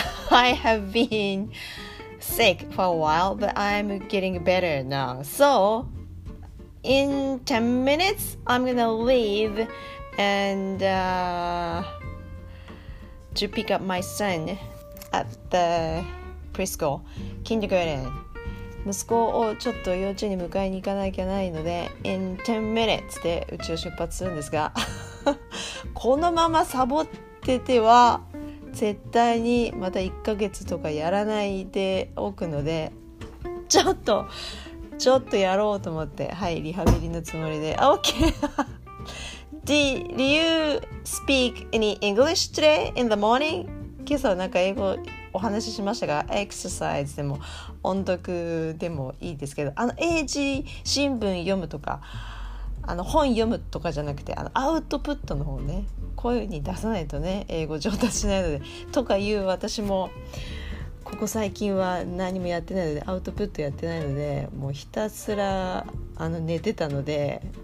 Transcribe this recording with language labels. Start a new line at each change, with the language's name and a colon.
English: I have been sick for a while, but I'm getting better now. So, in 10 minutes, I'm gonna leave and to pick up my son at the preschool, kindergarten.
Japanese: 息子をちょっと幼稚園に迎えに行かなきゃないので、
English: in 10 minutes
Japanese: でうちを出発するんですが、このままサボってては、絶対にまた1ヶ月とかやらないでおくので、ちょっとやろうと思って、はい、リハビリのつもりで。
English: OK Do you speak any English today in the morning?
Japanese: 今朝なんか英語お話ししましたが、エクササイズでも音読でもいいですけど、英字新聞読むとか、本読むとかじゃなくて、アウトプットの方ね、声に出さないとね、英語上達しないので、とかいう私もここ最近は何もやってないので、アウトプットやってないので、もうひたすら寝てたので、